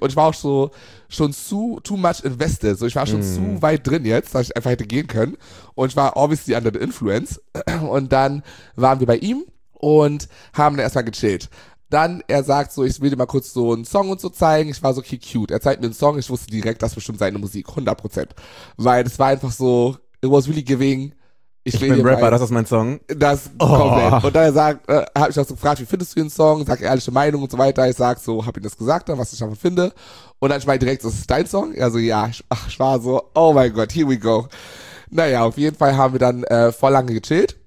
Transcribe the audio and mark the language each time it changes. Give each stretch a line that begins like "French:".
German: Und ich war auch so, schon zu,
English: too much invested.
German: So, ich war schon zu weit drin jetzt, dass ich einfach hätte gehen können. Und ich war
English: obviously under the influence.
German: Und dann waren wir bei ihm und haben dann erstmal gechillt. Dann, er sagt so, ich will dir mal kurz so einen Song und so zeigen. Ich war so, okay, cute. Er zeigt mir einen Song. Ich wusste direkt, das ist bestimmt seine Musik. 100%. Weil es war einfach so,
English: it was really giving.
German: Ich bin Rapper, das ist mein Song. Das komplett. Und dann hab ich auch so gefragt, wie findest du den Song? Sag ehrliche Meinung und so weiter. Ich sag so, hab ihm das gesagt, dann, was ich davon finde. Und dann schmeiß ich direkt, das ist dein Song? Also ja, ich war so, oh mein Gott,
English: here we go.
German: Naja, auf jeden Fall haben wir dann voll lange gechillt.